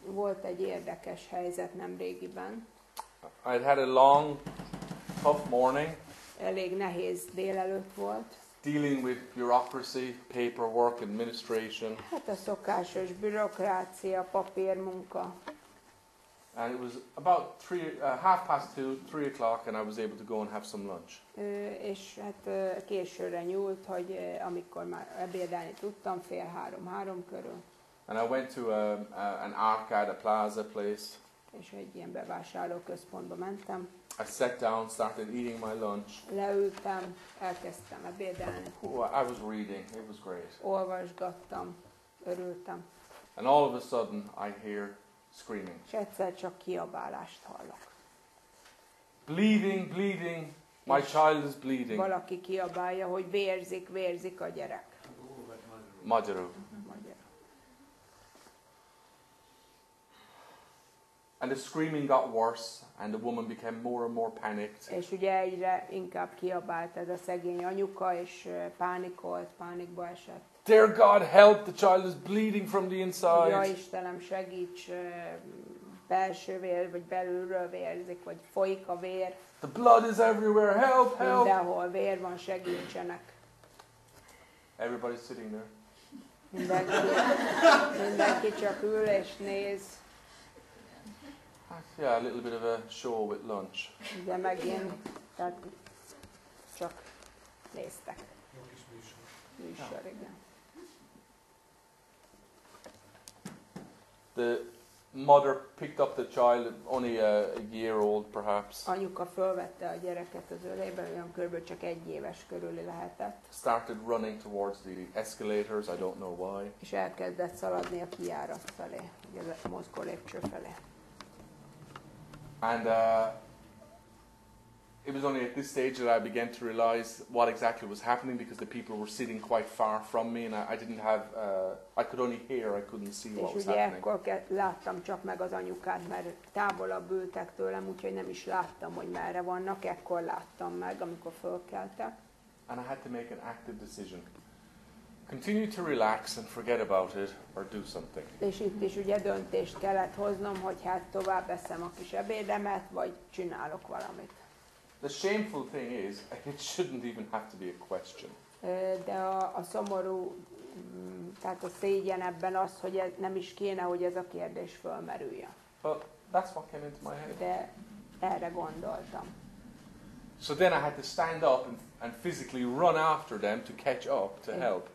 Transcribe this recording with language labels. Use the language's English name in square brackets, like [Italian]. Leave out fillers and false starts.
[Hungarian] Volt egy érdekes helyzet nemrégiben. [English] I had a long, tough morning. [Hungarian] Elég nehéz délelőtt volt. [English] Dealing with bureaucracy, paperwork, administration. [Hungarian] Hát a szokásos bürokrácia, papírmunka. [English] And it was about half past two, three o'clock, and I was able to go and have some lunch. [Hungarian] És hát későre nyúlt, hogy amikor már ebédelni tudtam, fél három, három körül. [English] And I went to an arcade, a plaza place. [Hungarian] És egy ilyen bevásárlóközpontba mentem. [English] I sat down, started eating my lunch. [Hungarian] Leültem, elkezdtem ebédelni. [English] I was reading, it was great. [Hungarian] Olvasgattam, örültem. [English] And all of a sudden I hear screaming. [Hungarian] És egyszer csak kiabálást hallok. [English] Bleeding, bleeding, my child is bleeding. [Hungarian] Valaki kiabálja, hogy vérzik, vérzik a gyerek. Magyarul. [English] And the screaming got worse, and the woman became more and more panicked. [Hungarian] És ugye egyre inkább kiabált ez a szegény anyuka, és pánikolt, pánikba esett. [English] Dear God, help! The child is bleeding from the inside. [Hungarian] Ja, Istenem, segíts! Belső vér, vagy belülről vérzik, vagy folyik a vér. [English] The blood is everywhere. Help! Help! [Hungarian] Mindenhol vér van, segítsenek. [English] Everybody's sitting there. [Hungarian] Mindenki csak ül és néz. [English] Yeah, a little bit of a show with lunch. [Hungarian] De megint, tehát csak néztek. Műsor, igen. [English] The mother picked up the child, only a year old perhaps. [Hungarian] Anyuka fölvette a gyereket az ölébe, olyan körülbelül csak egy éves körüli lehetett. [English] Started running towards the escalators, I don't know why. [Hungarian] És elkezdett szaladni a kijárat felé, ugye a mozgó lépcső felé. [English] And it was only at this stage that I began to realize what exactly was happening, because the people were sitting quite far from me, and I didn't have I could only hear, I couldn't see what was happening. [Hungarian] És ugye ekkor láttam csak meg az anyukát, mert távolabb ültek tőlem, úgyhogy nem is láttam, hogy merre vannak. Ekkor láttam meg, amikor fölkeltek. [English] And I had to make an active decision. Continue to relax and forget about it, or do something. [Hungarian] És itt is ugye döntést kellett hoznom, hogy hát tovább eszem a kis ebédemet, vagy csinálok valamit. [English] The shameful thing is, it shouldn't even have to be a question. [Hungarian] De a szomorú, tehát a szégyen ebben az, hogy ez nem is kéne, hogy ez a kérdés fölmerüljön. [English] But that's what came into my head. [Hungarian] De erre gondoltam. [English] So then I had to stand up and physically run after them to catch up, to help.